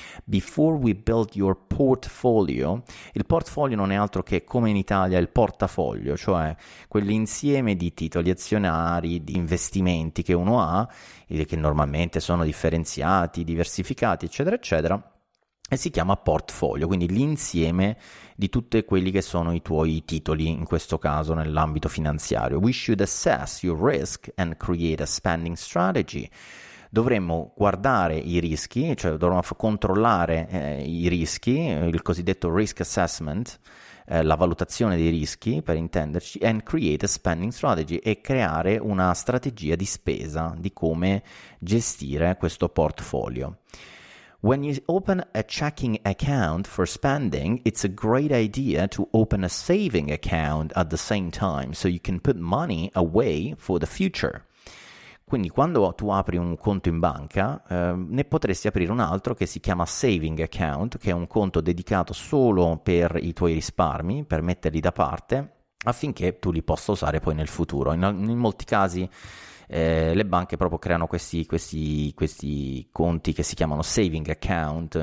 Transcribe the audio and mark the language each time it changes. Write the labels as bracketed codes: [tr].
[en] Before we build your portfolio, [it] il portfolio non è altro che, come in Italia, il portafoglio, cioè quell'insieme di titoli azionari, di investimenti che uno ha, che normalmente sono differenziati, diversificati, eccetera, eccetera, e si chiama portfolio, quindi l'insieme di tutti quelli che sono i tuoi titoli, in questo caso nell'ambito finanziario. [en] We should assess your risk and create a spending strategy. [it] Dovremmo guardare i rischi, cioè dovremmo controllare i rischi, il cosiddetto risk assessment, la valutazione dei rischi, per intenderci, [en] and create a spending strategy, [it] e creare una strategia di spesa di come gestire questo portfolio. [en] When you open a checking account for spending, it's a great idea to open a saving account at the same time so you can put money away for the future. [it] Quindi quando tu apri un conto in banca, ne potresti aprire un altro che si chiama saving account, che è un conto dedicato solo per i tuoi risparmi, per metterli da parte, affinché tu li possa usare poi nel futuro. In molti casi le banche proprio creano questi conti che si chiamano saving account.